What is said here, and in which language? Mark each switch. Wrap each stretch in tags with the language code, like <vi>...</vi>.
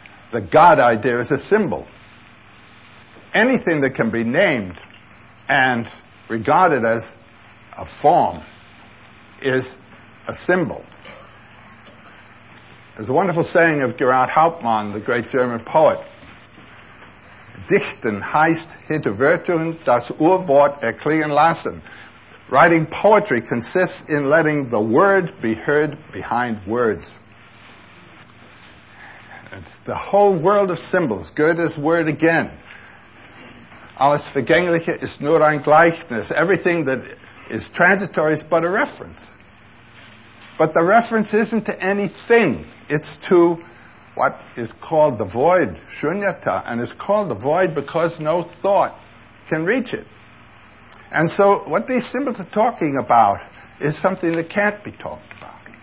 <en>The God idea is a symbol. Anything that can be named and regarded as a form is a symbol. There's a wonderful saying of Gerhard Hauptmann, the great German poet.</en> <de>Dichten heißt hinter Wörtern das Urwort erklingen lassen.</de> <en>Writing poetry consists in letting the word be heard behind words. And the whole world of symbols, Goethe's word again.</en> <de>Alles Vergängliche ist nur ein Gleichnis.</de> <en>Everything that is transitory is but a reference. But the reference isn't to anything. It's to what is called the void, shunyata, and is called the void because no thought can reach it. And so what these symbols are talking about is something that can't be talked about.</en>